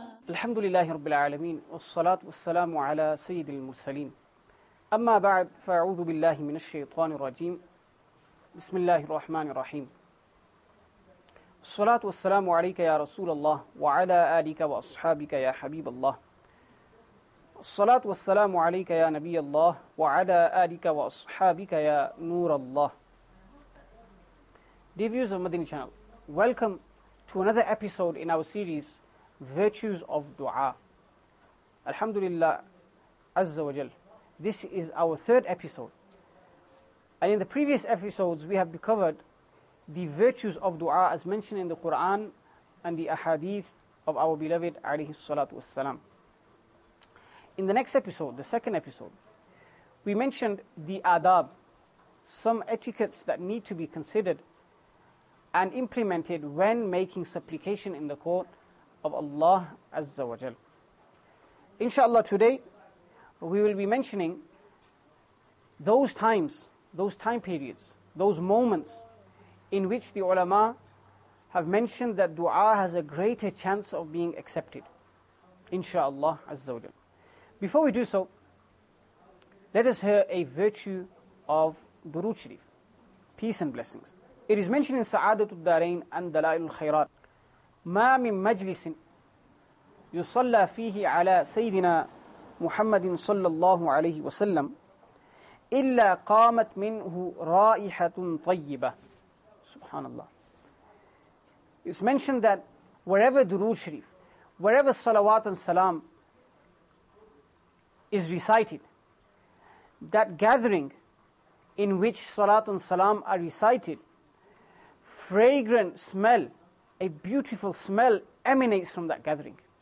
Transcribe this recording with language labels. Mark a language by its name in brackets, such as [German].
[Arabic] الحمد لله رب العالمين والصلاة والسلام على سيد المرسلين أما بعد فأعوذ بالله من الشيطان الرجيم بسم الله الرحمن الرحيم الصلاة والسلام عليك يا رسول الله وعلى آلك وأصحابك يا حبيب الله الصلاة والسلام عليك يا نبي الله وعلى آلك وأصحابك يا نور الله [English] Dear viewers of Madini Channel, welcome to another episode in our series Virtues of Dua. [Arabic] Alhamdulillah Azza wa Jal. [English] This is our third episode. And in the previous episodes, we have covered the virtues of Dua as mentioned in the Quran and the Ahadith of our beloved [Arabic] Alayhi Salatu Wassalam. [English] In the next episode, the second episode, we mentioned the adab, some etiquettes that need to be considered and implemented when making supplication in the court of Allah [Arabic] Azza wa Jal. [English] Inshallah, today we will be mentioning those times, those time periods, those moments in which the ulama have mentioned that dua has a greater chance of being accepted. [Arabic] Inshallah Azza wa Jal. [English] Before we do so, let us hear a virtue of Durood Sharif, peace and blessings. It is mentioned in Sa'adatul Darain and Dalailul Khairat. [Arabic] ما من مجلس يصلى فيه على سيدنا محمد صلى الله عليه وسلم إلا قامت منه رائحة طيبة. سبحان الله. [English] It's mentioned that wherever Durood Sharif, wherever Salawat and Salam is recited, that gathering in which Salat and Salam are recited, fragrant smell, a beautiful smell emanates from that gathering.